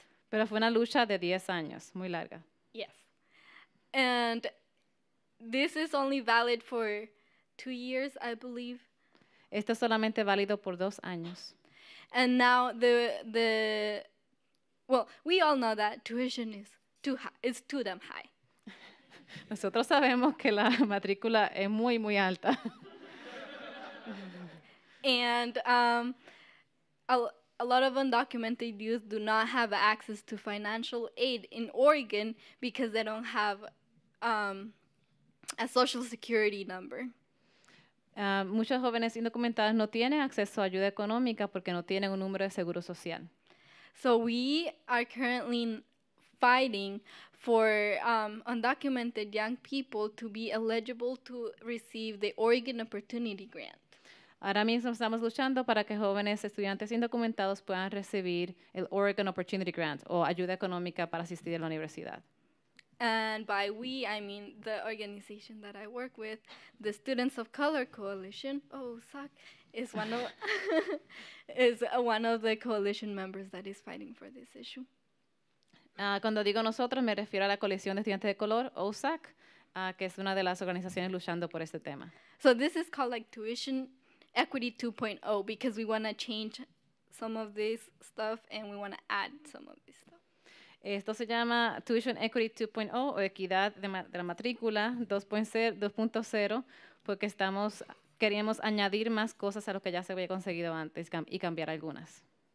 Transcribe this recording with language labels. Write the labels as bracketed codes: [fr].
[es] Pero fue una lucha de 10 años, muy larga. [en] Yes. And this is only valid for 2 years, I believe. [es] Esto es solamente válido por 2 años. [en] And now we all know that tuition is too high. It's too damn high. [es] Nosotros sabemos que la matrícula es muy, muy alta. [en] And a lot of undocumented youth do not have access to financial aid in Oregon because they don't have a social security number. [es] Muchos jóvenes indocumentados no tienen acceso a ayuda económica porque no tienen un número de seguro social. [en] So we are currently fighting for undocumented young people to be eligible to receive the Oregon Opportunity Grant. [es] Ahora mismo estamos luchando para que jóvenes estudiantes indocumentados puedan recibir el Oregon Opportunity Grant o ayuda económica para asistir a la universidad. [en] And by we, I mean the organization that I work with, the Students of Color Coalition. is one of the coalition members that is fighting for this issue. [es] Cuando digo nosotros, me refiero a la coalición de estudiantes de color, OSAC, que es una de las organizaciones luchando por este tema. [en] So this is called like tuition equity 2.0 because we want to change some of this stuff and we want to add some of this stuff. [es] Esto se llama Tuition Equity 2.0 o equidad de la matrícula 2.0 porque queríamos añadir más cosas a lo que ya se había conseguido antes y cambiar algunas.